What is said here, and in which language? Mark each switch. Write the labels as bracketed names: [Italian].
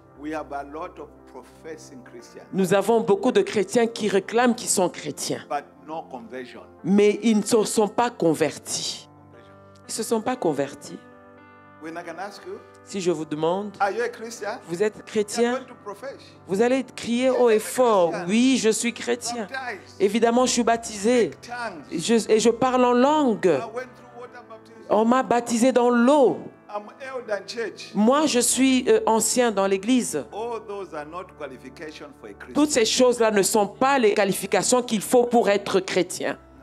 [English] We have a lot of professing Christians. [French] Nous avons beaucoup de chrétiens qui réclament qu'ils sont chrétiens. [English] But no conversion. [French] Mais ils ne se sont pas convertis. Ils ne se sont pas convertis. [English] When I can ask you, [French] si je vous demande, [English] are you a Christian? [French] Vous êtes chrétien? [English] You are going to [French] vous allez crier haut et fort, oui, je suis chrétien. [English] Baptized. [French] Évidemment, je suis baptisé. Et je parle en langue. [English] I went through water baptism. [French] On m'a baptisé dans l'eau. [English] I'm elder in church. [French] Moi, je suis ancien dans l'église. [English] All those are not qualifications for a Christian. [French] Toutes ces choses-là ne sont pas les qualifications qu'il faut pour être chrétien.